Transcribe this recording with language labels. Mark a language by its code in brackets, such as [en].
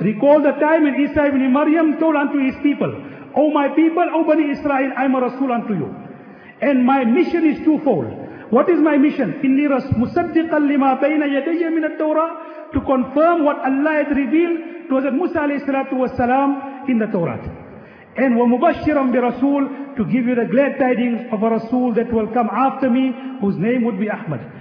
[en] Recall the time when Isa ibn Maryam told unto his people, "O my people, O Bani Israel, I am a Rasul unto you. And my mission is twofold. What is my mission? [ar] إِنِّي مُصَدِّقًا لِمَا بَيْنَ يَدَيَّ مِنَ التَّوْرَاةِ. [en] To confirm what Allah had revealed to Hazrat Musa alayhi salatu wasalam in the Torah. [ar] And وَمُبَشِّرًا بِرَسُولٍ. [en] To give you the glad tidings of a Rasul that will come after me, whose name would be Ahmad.